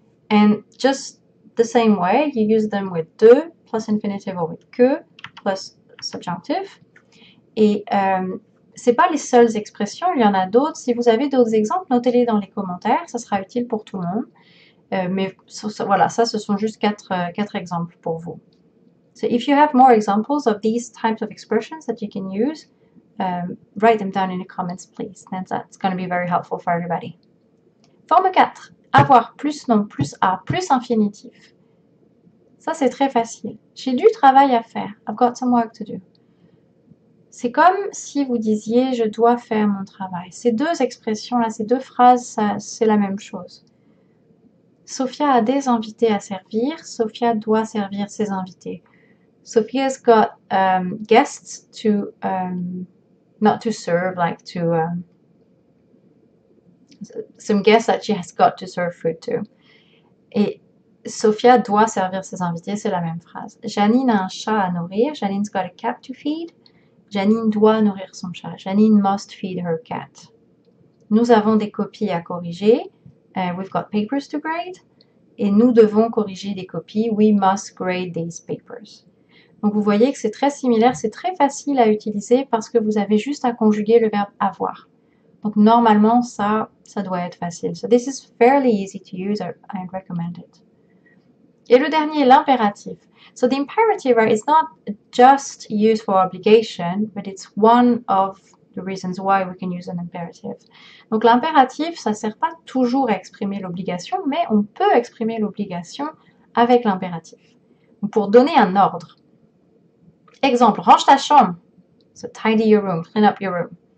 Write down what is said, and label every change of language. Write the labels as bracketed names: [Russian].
[English] And just the same way, you use them with de plus infinitive or with que plus subjonctif. [French] Et ce n'est pas les seules expressions, il y en a d'autres. Si vous avez d'autres exemples, notez-les dans les commentaires, ça sera utile pour tout le monde. Mais voilà, ça, ce sont juste quatre exemples pour vous. [English] So if you have more examples of these types of expressions that you can use, write them down in the comments, please. And that's going to be very helpful for everybody. [French] Forme 4. Avoir plus non plus a plus infinitif. Ça, c'est très facile. J'ai du travail à faire. [English] I've got some work to do. [French] C'est comme si vous disiez je dois faire mon travail. Ces deux expressions-là, ces deux phrases, ça, c'est la même chose. Sophia a des invités à servir. Sophia doit servir ses invités. [English] Sophia's got guests to not to serve, like to some guests that she has got to serve food to. [French] Et Sophia doit servir ses invités, c'est la même phrase. Janine a un chat à nourrir. [English] Janine's got a cat to feed. [French] Janine doit nourrir son chat. [English] Janine must feed her cat. [French] Nous avons des copies à corriger. [English] We've got papers to grade. [French] Et nous devons corriger des copies. [English] We must grade these papers. [French] Donc vous voyez que c'est très similaire, c'est très facile à utiliser parce que vous avez juste à conjuguer le verbe avoir. Donc normalement, ça doit être facile. [English] So this is fairly easy to use, I recommend it. [French] Et le dernier, l'impératif. [English] So the imperative, right, is not just used for obligation, but it's one of the reasons why we can use an imperative. [French] Donc l'impératif, ça ne sert pas toujours à exprimer l'obligation, mais on peut exprimer l'obligation avec l'impératif. Pour donner un ordre. Exemple, range ta chambre. [English] So tidy your room, clean up your room.